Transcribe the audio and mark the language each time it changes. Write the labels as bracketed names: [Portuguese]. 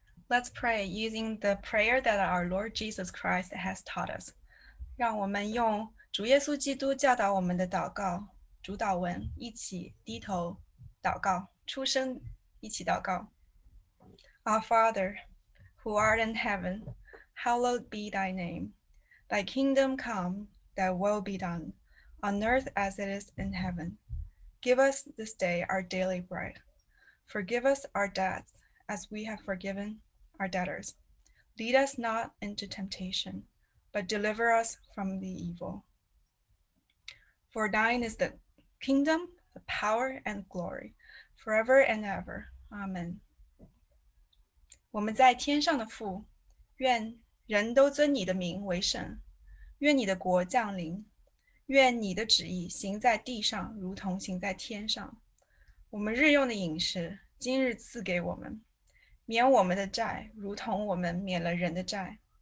[English] Let's pray using the prayer that our Lord Jesus Christ has taught us. [Chinese] 让我们用主耶稣基督教导我们的祷告主祷文一起低头祷告，出声一起祷告。 [English] Our Father, who art in heaven, hallowed be thy name. Thy kingdom come, thy will be done, on earth as it is in heaven. Give us this day our daily bread. Forgive us our debts, as we have forgiven our debtors. Lead us not into temptation, but deliver us from the evil. For thine is the kingdom, the power, and glory, forever and ever. Amen. [Chinese] 我们在天上的父，愿人都尊你的名为圣，愿你的国降临，愿你的旨意行在地上，如同行在天上。我们日用的饮食，今日赐给我们，免我们的债，如同我们免了人的债。